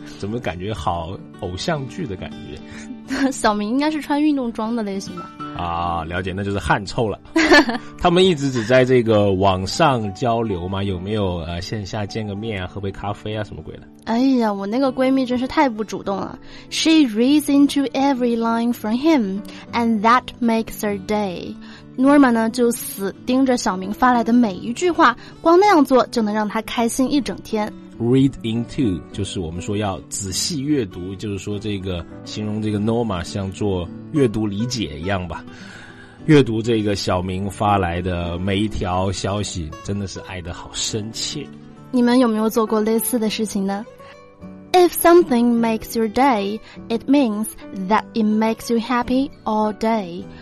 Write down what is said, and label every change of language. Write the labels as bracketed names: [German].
[Chinese] 怎么感觉好偶像剧的感觉？小明应该是穿运动装的类型吧？啊，了解，那就是汗臭了。他们一直只在这个网上交流吗？有没有线下见个面啊，喝杯咖啡啊，什么鬼的？哎呀，我那个闺蜜真是太不主动了。 [English] She reads into every line from him, and that makes her day. [Chinese] 诺尔玛呢就死盯着小明发来的每一句话，光那样做就能让他开心一整天。 read into 就是我们说要仔细阅读，就是说这个形容这个诺尔玛像做阅读理解一样吧，阅读这个小明发来的每一条消息，真的是爱得好深切。你们有没有做过类似的事情呢？ [English] If something makes your day, it means that it makes you happy all day.